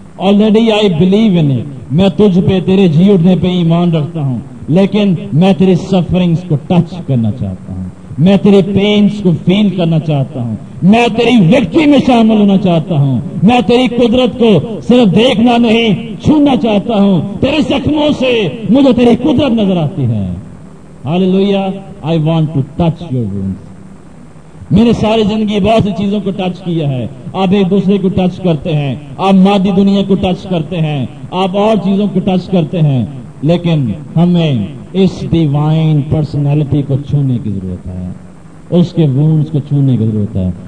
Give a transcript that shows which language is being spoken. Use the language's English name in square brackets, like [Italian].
[English] already I believe in it, [Urdu] میں تجھ پہ تیرے جی اٹھنے پہ ایمان رکھتا ہوں, لیکن میں تیری سفرنگز کو ٹچ کرنا چاہتا ہوں, میں تیری پینز کو فیل کرنا چاہتا ہوں, میں تیری وکٹری میں شامل ہونا چاہتا ہوں, میں تیری قدرت کو صرف دیکھنا نہیں چھونا چاہتا ہوں. تیرے زخموں سے مجھے تیری قدرت نظر آتی ہے. [English] Hallelujah. I want to touch your wounds. [Urdu] میں نے ساری زندگی بہت سی چیزوں کو ٹچ کیا ہے. آپ ایک دوسرے کو ٹچ کرتے ہیں, آپ مادی دنیا کو ٹچ کرتے ہیں, آپ اور چیزوں کو ٹچ کرتے ہیں, لیکن ہمیں اس ڈیوائن پرسنالٹی کو چھونے کی ضرورت ہے, اس کے وونڈز کو چھونے کی ضرورت ہے.